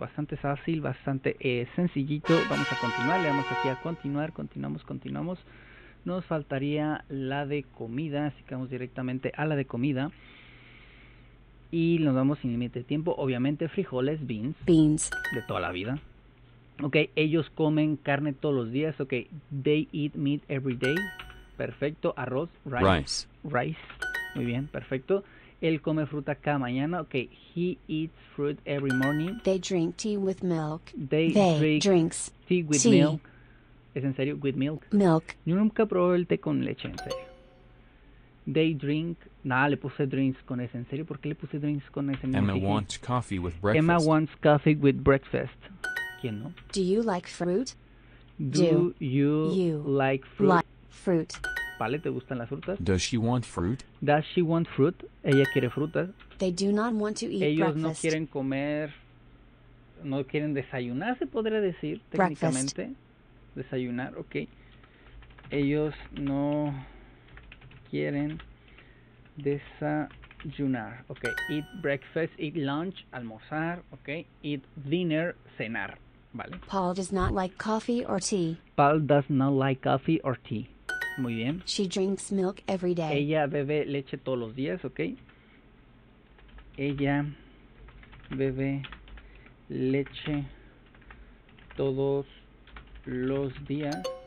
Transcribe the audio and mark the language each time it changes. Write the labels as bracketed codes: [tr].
[es] Bastante fácil, bastante sencillito. Vamos a continuar, le damos aquí a continuar, continuamos. Nos faltaría la de comida, así que vamos directamente a la de comida. Y nos vamos sin límite de tiempo. Obviamente, frijoles, beans. [en] Beans. [es] De toda la vida. Ok, ellos comen carne todos los días. [en] Ok, they eat meat every day. [es] Perfecto. Arroz, rice. [en] Rice. [es] Rice. Muy bien, perfecto. Él come fruta cada mañana. [en] Ok, he eats fruit every morning. They drink tea with milk. They drink tea with milk. [es] ¿Es en serio? [en] ¿With milk? Milk. [es] Yo nunca probé el té con leche, en serio. [en] They drink... [es] Nah, le puse drinks con ese. ¿En serio? ¿Por qué le puse drinks con ese? [en] Emma wants coffee with breakfast. Emma wants coffee with breakfast. [es] ¿Quién no? [en] Do you like fruit? Do you like fruit? Fruit. [es] nopales? ¿Te gustan las frutas? [en] Does she want fruit? Does she want fruit? [es] Ella quiere frutas. [en] They do not want to eat breakfast. [es] Ellos no quieren comer, no quieren desayunar, se podría decir, técnicamente. [en] Breakfast. [es] Desayunar, okay. Ellos no quieren desayunar. [en] Okay, eat breakfast, eat lunch, almorzar, okay, eat dinner, cenar. [es] Vale. [en] Paul does not like coffee or tea. Paul does not like coffee or tea. [es] Muy bien. [en] She drinks milk every day. [es] Ella bebe leche todos los días, okay. Ella bebe leche todos los días.